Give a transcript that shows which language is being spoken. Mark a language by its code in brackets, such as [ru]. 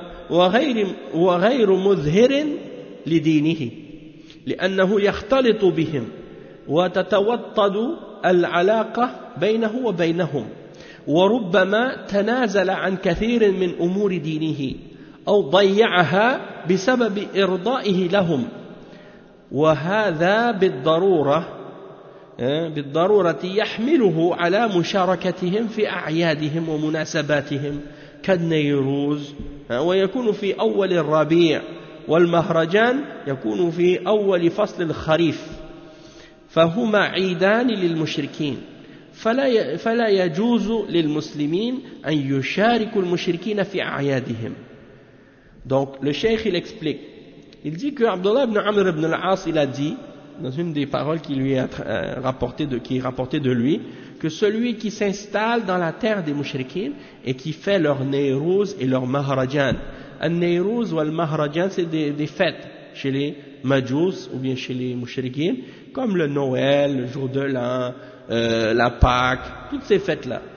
[ar] وغير مظهر لدينه لأنه يختلط بهم وتتوطد العلاقة بينه وبينهم وربما تنازل عن كثير من أمور دينه أو ضيعها بسبب إرضائه لهم وهذا بالضرورة بالضرورة يحمله على مشاركتهم في أعيادهم ومناسباتهم كالنيروز، ويكون في أول الربيع، والمهرجان يكون في أول فصل الخريف، فهما عيدان للمشركين، فلا يجوز للمسلمين أن يشاركوا المشركين في أعيادهم. [fr] Donc le cheikh il explique, il dit que Abdullah ibn Amr ibn al-As il a dit dans une des paroles qui lui est rapportée de lui que celui qui s'installe dans la terre des mushrikins et qui fait leur Nehruz et leur Maharajan. Un Nehruz ou un Maharajan, c'est des fêtes chez les Majus ou bien chez les mushrikins, comme le Noël, le jour de l'an, la Pâque, toutes ces fêtes-là.